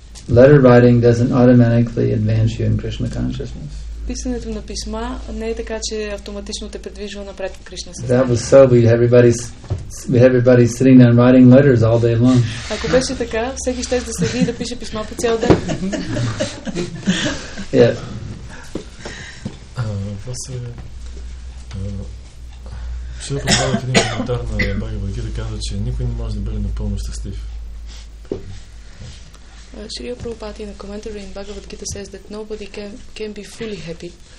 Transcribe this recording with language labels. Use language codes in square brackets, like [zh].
[en] Letter writing doesn't automatically advance you in Krishna consciousness. [bg] Писането на писма не е така, че автоматично те придвижва напред в Кришна съзнание. [en] That was so. We had everybody sitting down writing letters all day long. [bg] Ако беше така, всеки щеше да седи и да пише писма по цял ден. [en] Yeah. [bg] Ще направя един коментар на Бхагавад Гита, каза, че никой не може да бъде напълно щастлив. [en] Шри Прабхупад in a commentary in Bhagavad Gita says that nobody can be fully happy.